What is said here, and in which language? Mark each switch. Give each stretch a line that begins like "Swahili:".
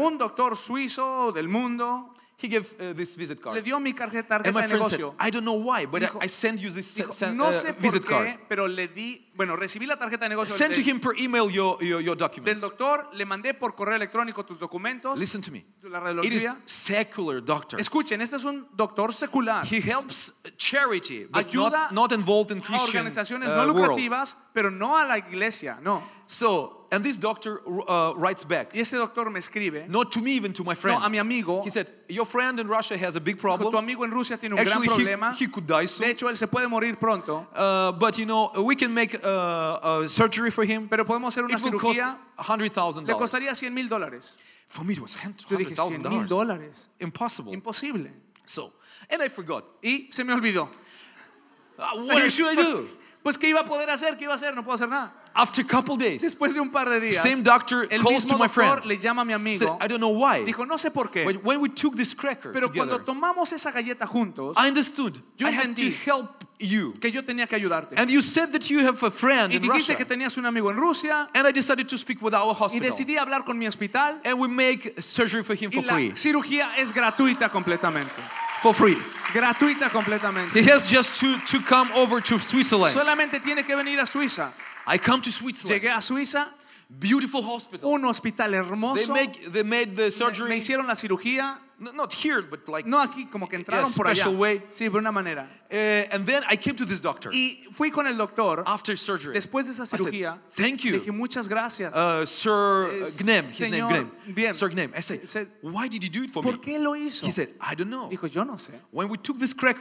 Spanish: Un doctor suizo del mundo.
English: He gave this visit card.
Spanish: Le dio mi tarjeta
English: and my
Spanish: de
English: friend
Spanish: negocio.
English: Said, I don't know why, but dijo, I sent you this visit card.
Spanish: Pero le di, bueno, recibí la tarjeta de negocio.
English: Send to him per email your documents.
Spanish: Del doctor, le mandé por correo electrónico tus documentos.
English: Listen to me.
Spanish: La
English: it is secular doctor.
Spanish: Escuchen, este es un doctor secular.
English: He helps charity, but
Spanish: ayuda
English: not involved in Christian
Spanish: a organizaciones no lucrativas, pero no a la iglesia, no.
English: So, and this doctor writes back.
Spanish: Y ese doctor me escribe.
English: Not to me, even to my friend.
Spanish: No, a mi amigo.
English: He said, your friend in Russia has a big problem.
Spanish: Tu amigo en Rusia tiene un
English: actually,
Spanish: gran problema.
English: He could die soon.
Spanish: De hecho, él se puede morir pronto.
English: But you know, we can make a surgery for him.
Spanish: Pero podemos hacer una
English: it will
Spanish: cirugía.
English: Cost $100,000.
Spanish: Le costaría $100,000.
English: For me, it was $100,000. Impossible.
Spanish: Imposible.
English: So, and I forgot.
Spanish: Y se me olvidó.
English: What should I do?
Spanish: Pues qué iba a poder hacer, qué iba a hacer, no puedo hacer nada.
English: After a couple days,
Spanish: después de un par de días,
English: same doctor calls
Spanish: el mismo
English: to my friend.
Spanish: Le llama a mi amigo.
English: Said, I don't know why.
Spanish: Dijo no sé por qué.
English: When we took this cracker
Spanish: pero
English: together,
Spanish: cuando tomamos esa galleta juntos,
English: I understood.
Spanish: Yo
English: I had to help you.
Spanish: Que yo tenía que ayudarte.
English: And you said that you have a friend in Russia.
Spanish: Y dijiste que tenías un amigo en Rusia.
English: And I decided to speak with our hospital.
Spanish: Y decidí hablar con mi hospital.
English: And we make surgery for him for free.
Spanish: Y la cirugía es gratuita completamente.
English: For free.
Spanish: Gratuita completamente.
English: He has just to come over to Switzerland.
Spanish: Solamente tiene que venir a Suiza.
English: I come to Switzerland.
Spanish: Llegué a Suiza.
English: Beautiful hospital.
Spanish: Un hospital hermoso.
English: They made the surgery.
Spanish: Me hicieron la cirugía.
English: Not here, but like
Spanish: no aquí, como que entraron
English: yeah,
Spanish: por allá.
English: Special way.
Spanish: Sí, por una manera.
English: And then I came to this doctor.
Spanish: Y fui con el doctor.
English: After surgery.
Spanish: Después de esa cirugía.
English: I said, thank you.
Spanish: Le dije muchas gracias.
English: Sir Gnem, his
Spanish: señor,
English: name Gnem.
Spanish: Bien.
English: Sir Gnem. I said, why did you do it for
Spanish: ¿por
English: me?
Spanish: ¿Por qué lo hizo?
English: He said, I don't know.
Spanish: Dijo, yo no sé.
English: When we took this cracker.